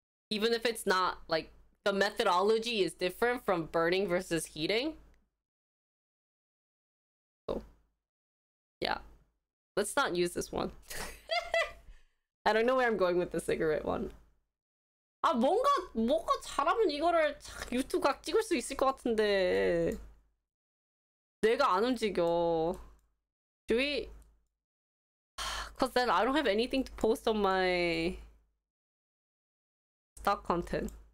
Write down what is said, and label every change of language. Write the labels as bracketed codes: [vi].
[en] Even if it's not like the methodology is different from burning versus heating. So, yeah, let's not use this one. I don't know where I'm going with the cigarette one. [ko] 아 뭔가 잘하면 이거를 유튜브가 찍을 수 있을 것 같은데 내가 안 움직여. [en] Should we? Because then I don't have anything to post on my stock content.